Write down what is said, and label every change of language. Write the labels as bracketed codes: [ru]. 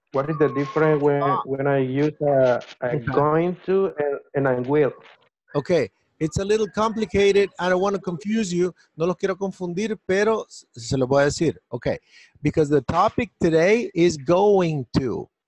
[en] What is the difference when I use going to and I will? Okay, it's a little complicated. I don't want to confuse you. [es] No los quiero confundir, pero se lo voy a decir. [en] Okay, because the topic today is going to.